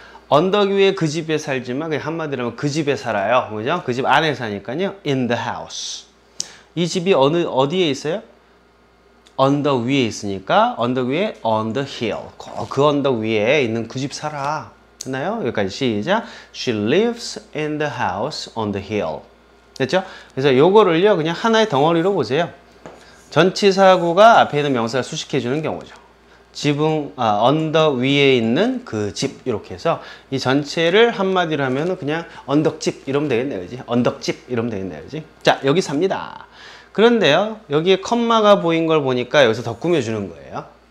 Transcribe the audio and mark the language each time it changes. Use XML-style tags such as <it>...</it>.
<ko>언덕 위에 그 집에 살지만 그냥 한마디로 하면 그 집에 살아요. 그죠? 그 집 안에 사니까요.</ko> <en>In the house.</en> <ko>이 집이 어디에 있어요? 언덕 위에 있으니까 언덕 위에</ko> <en>on the hill.</en> <ko>그 언덕 위에 있는 그 집 살아. 됐나요? 여기까지 시작.</ko> <en>She lives in the house on the hill.</en> <ko>됐죠? 그래서 요거를요 그냥 하나의 덩어리로 보세요. 전치사구가 앞에 있는 명사를 수식해 주는 경우죠. 지붕, 언덕 위에 있는 그 집 이렇게 해서 이 전체를 한마디로 하면 그냥 언덕집 이러면 되겠네요. 그지? 언덕집 이러면 되겠네요. 그지? 자, 여기 삽니다. 그런데요 여기에 콤마가 보인 걸 보니까 여기서 더 꾸며주는 거예요.</ko>